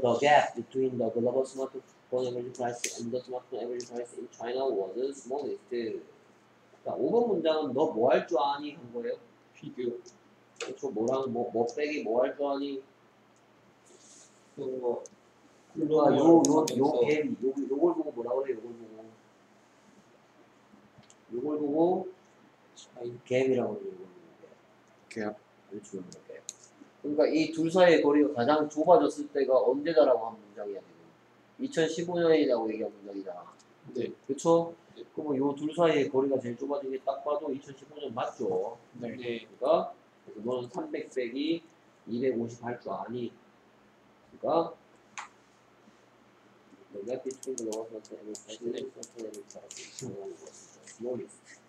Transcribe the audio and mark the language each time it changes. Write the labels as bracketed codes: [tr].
[en] The gap between the global smartphone average price and the smartphone average price in China was the smallest. [ko] 자, 5번 문장은 너 뭐 할 줄 아니? 한 거예요? 비교. 그쵸, 뭐랑 뭐 빼기 뭐 할 줄 아니? 그런 거. 요 갭이, 요걸 보고 뭐라 그래, 요걸 보고. 요걸 보고, 갭이라고 그래. 갭. 그러니까 이 둘 사이의 거리가 가장 좁아졌을 때가 언제다라고 한 문장이야, 지금. 2015년이라고 얘기한 문장이다. 네. 그쵸? 그럼 요 둘 사이의 거리가 제일 좁아진 게 딱 봐도 2015년 맞죠? 네. 그러니까 그래서 너는 300 빼기 250 할 줄 아니? [en] 그러니까 The gap between the world and the average price is smallest.